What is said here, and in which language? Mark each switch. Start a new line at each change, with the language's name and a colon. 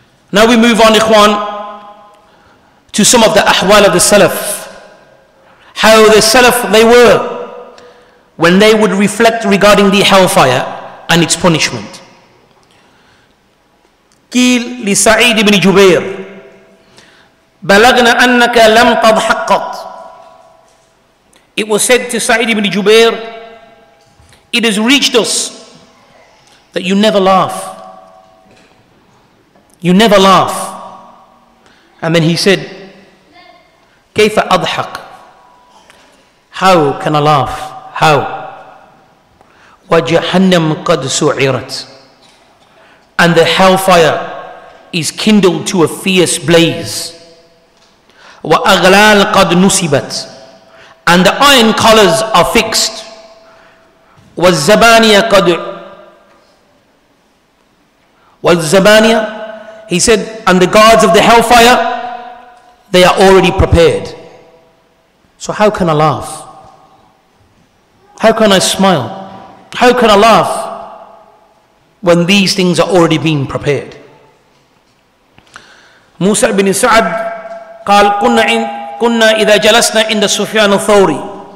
English: Now we move on, ikhwan, to some of the ahwal of the salaf. How the salaf, they were, when they would reflect regarding the hellfire and its punishment.
Arabic: قيل لسعيد بن جبير بلغنا أنك لم تضحقت.
English: It was said to Sa'id ibn Jubair, it has reached us that you never laugh. You never laugh. And then he said,
Arabic: كيف أضحق,
English: how can I laugh? How?
Arabic: وَجَهَنَّمْ قَدْ سُعِرَتْ,
English: and the hellfire is kindled to a fierce blaze.
Arabic: وَأَغْلَالْ قَدْ نُسِبَتْ,
English: and the iron collars are fixed. وَالزَّبَانِيَ, he said, and the guards of the hellfire, they are already prepared. So how can I laugh? How can I smile? How can I laugh when these things are already being prepared?
Arabic: Musa ibn Sa'ad قال كنا إذا جلسنا عند سفيان الثوري.